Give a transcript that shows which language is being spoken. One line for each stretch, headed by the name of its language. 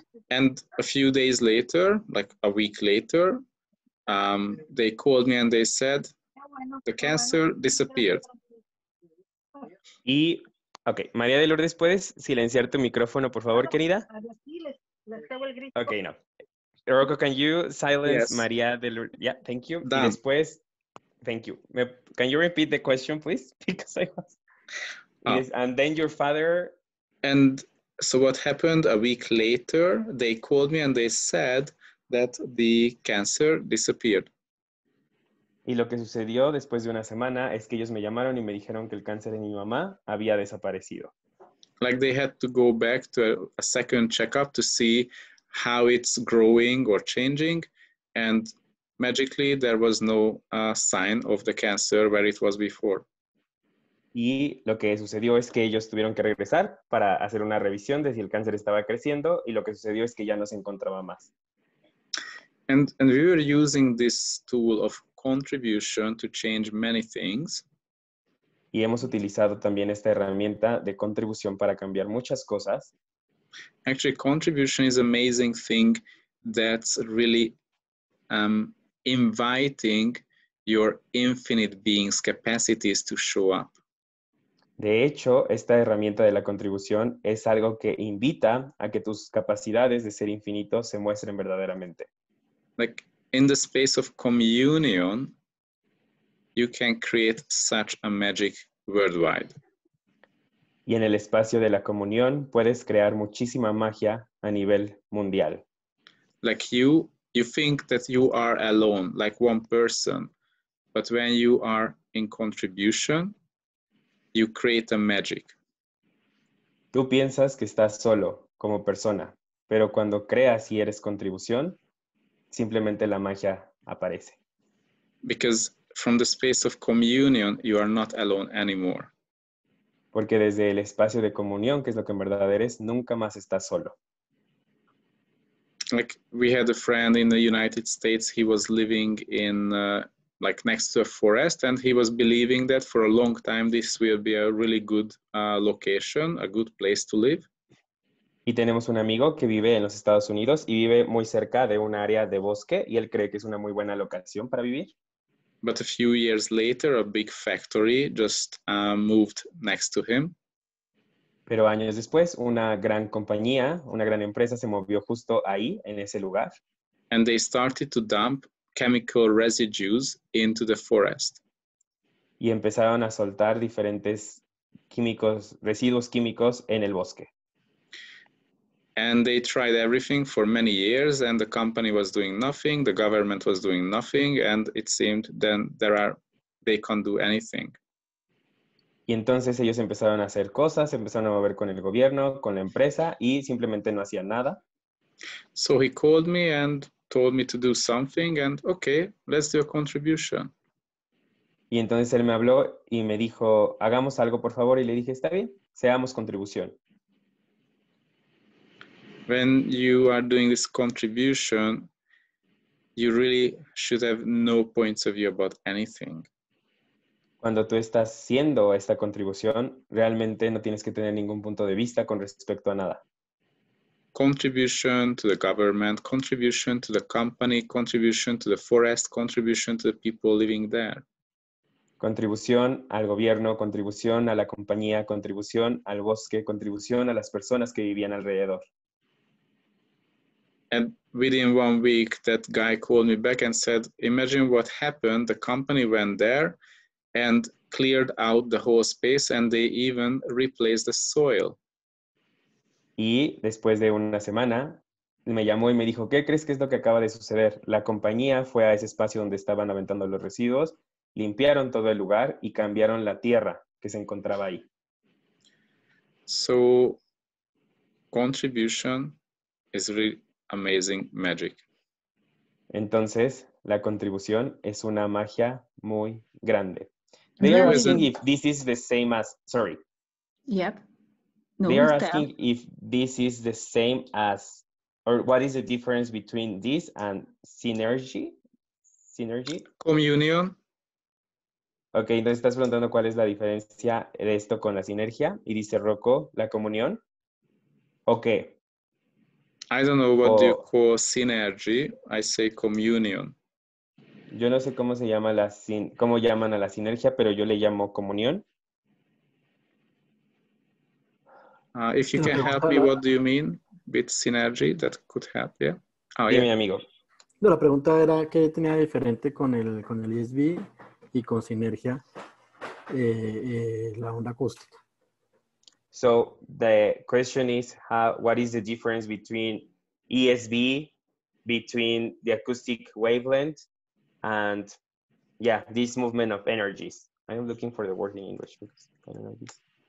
English: And a few days later, like a week later, they called me and they said the cancer disappeared.
Spanish: Y okay, María de Lourdes, ¿puedes silenciar tu micrófono, por favor, querida?
English: Okay, no. Rocco, can you silence yes. María de Lourdes? Yeah, thank you. Done.
Spanish: Y después,
English: thank you. Can you repeat the question, please? Because I was... Yes, and then your father... And so what happened a week later, they called me and they said that the cancer disappeared.
Spanish: Y lo que sucedió después de una semana es que ellos me llamaron y me dijeron que el cáncer en mi mamá había desaparecido.
English: Like they had to go back to a second checkup to see how it's growing or changing. And magically, there was no sign of the cancer where it was before.
Spanish: Y lo que sucedió es que ellos tuvieron que regresar para hacer una revisión de si el cáncer estaba creciendo. Y lo que sucedió es que ya no se encontraba más.
English: And we were using this tool of contribution to change many things.
Spanish: Y hemos utilizado también esta herramienta de contribución para cambiar muchas cosas.
English: Actually, contribution is an amazing thing that's really inviting your infinite being's capacities to show up.
Spanish: De hecho, esta herramienta de la contribución es algo que invita a que tus capacidades de ser infinito se muestren verdaderamente.
English: Like, in the space of communion, you can create such a magic worldwide.
Spanish: Y en el espacio de la comunión puedes crear muchísima magia a nivel mundial.
English: Like you think that you are alone, like one person, but when you are in contribution, you create a magic.
Spanish: Tú piensas que estás solo como persona, pero cuando creas y eres contribución, simplemente la magia aparece.
English: Because from the space of communion, you are not alone anymore.
Spanish: Porque desde el espacio de comunión, que es lo que en verdad eres, nunca más estás solo.
English: Like, we had a friend in the United States. He was living in, like, next to a forest, and he was believing that for a long time this will be a really good location, a good place to live.
Spanish: Y tenemos un amigo que vive en los Estados Unidos y vive muy cerca de un área de bosque, y él cree que es una muy buena locación para vivir.
English: But a few years later, a big factory just moved next to him.
Spanish: Pero años después, una gran compañía, una gran empresa se movió justo ahí, en ese lugar.
English: And they started to dump chemical residues into the forest.
Spanish: Y empezaron a soltar diferentes químicos, residuos químicos en el bosque.
English: And they tried everything for many years, and the company was doing nothing, the government was doing nothing, and it seemed then they can't do anything.
Spanish: Y entonces ellos empezaron a hacer cosas, empezaron a mover con el gobierno, con la empresa, y simplemente no hacían nada.
English: So he called me and told me to do something, and okay, let's do a contribution.
Spanish: Y entonces él me habló y me dijo, hagamos algo por favor, y le dije, está bien, seamos contribución.
English: When you are doing this contribution, you really should have no points of view about anything.
Spanish: Cuando tú estás haciendo esta contribución, realmente no tienes que tener ningún punto de vista con respecto a nada.
English: Contribution to the government, contribution to the company, contribution to the forest, contribution to the people living there.
Spanish: Contribución al gobierno, contribución a la compañía, contribución al bosque, contribución a las personas que vivían alrededor.
English: And within 1 week, that guy called me back and said, imagine what happened, the company went there and cleared out the whole space and they even replaced the soil.
Spanish: Y después de una semana, me llamó y me dijo, ¿qué crees que es lo que acaba de suceder? La compañía fue a ese espacio donde estaban aventando los residuos, limpiaron todo el lugar y cambiaron la tierra que se encontraba ahí.
English: So, contribution is really amazing magic.
Spanish: Entonces, la contribución es una magia muy grande.
English: They are asking if this is the same as, sorry. Yep. No, they are asking if this is the same as, or what is the difference between this and synergy? Synergy? Communion.
Spanish: Ok, entonces estás preguntando cuál es la diferencia de esto con la sinergia. Y dice Rocco, ¿la comunión? ¿O qué?
English: I don't know what you call synergy. I say communion.
Spanish: Yo no sé cómo se llama la cómo llaman a la sinergia, pero yo le llamo comunión.
English: If you can help me, what do you mean with synergy? That could help, yeah? Oh, yeah.
Spanish: Mi amigo. No, la pregunta era qué tenía diferente con el ESB y con sinergia la onda acústica.
English: So the question is what is the difference between ESB, between the acoustic wavelength and yeah, this movement of energies. I am looking for the word in English because I don't know this.